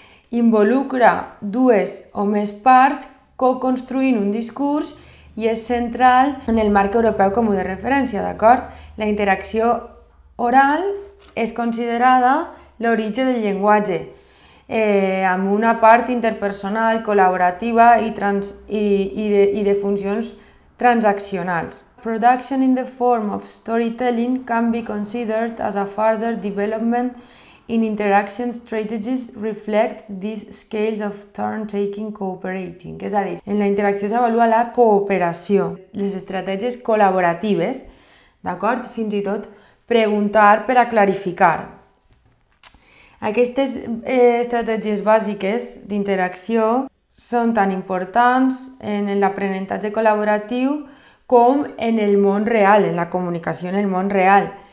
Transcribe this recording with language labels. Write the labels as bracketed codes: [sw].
[ca] involucra dues o més parts co-construint un discurs i és central en el marc europeu comú de referència, d'acord? La interacció oral és considerada l'origen del llenguatge, amb una part interpersonal, col·laborativa i de funcions transaccionals. [en] Production in the form of storytelling can be considered as a further development in interaction strategies reflect these scales of turn-taking cooperating. [ca] És a dir, en la interacció s'avalua la cooperació, les estratègies col·laboratives, d'acord? Fins i tot preguntar per a clarificar. Aquestes estratègies bàsiques d'interacció són tan importants en l'aprenentatge col·laboratiu com en el món real, en la comunicació en el món real.